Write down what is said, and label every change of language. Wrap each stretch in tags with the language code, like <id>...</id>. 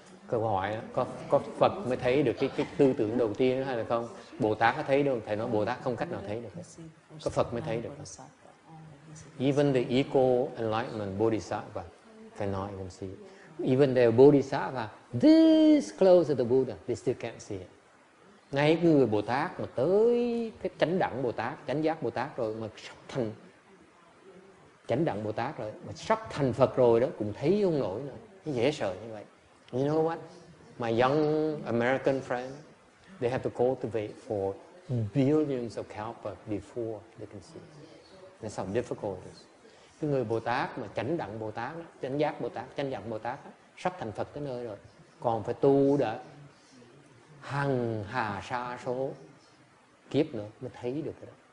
<vi>Câu hỏi có Phật mới thấy được cái tư tưởng đầu tiên hay là không? Bồ Tát có thấy được? Thầy nói Bồ Tát không cách nào thấy được. Có Phật mới thấy được.</vi> <en>Even the equal enlightenment Bodhisattva cannot even see. Even the Bodhisattva this close to the Buddha, they still can't see it.</en> <vi>Ngay cái người Bồ Tát mà tới cái chánh đẳng Bồ Tát, chánh giác Bồ Tát rồi mà sắp thành chánh đẳng Bồ Tát rồi mà sắp thành Phật rồi đó cũng thấy không nổi nữa. Dễ sợ như vậy.</vi> <en>You know what? My young American friend, they have to cultivate for billions of kalpa before they can see. There's some difficulties.</en> <vi>Cái người Bồ Tát mà chánh đẳng Bồ Tát, chánh giác Bồ Tát, chánh đẳng Bồ Tát sắp thành Phật tới nơi rồi. Còn phải tu đã hằng hà sa số kiếp nữa mới thấy được cái đó.</vi>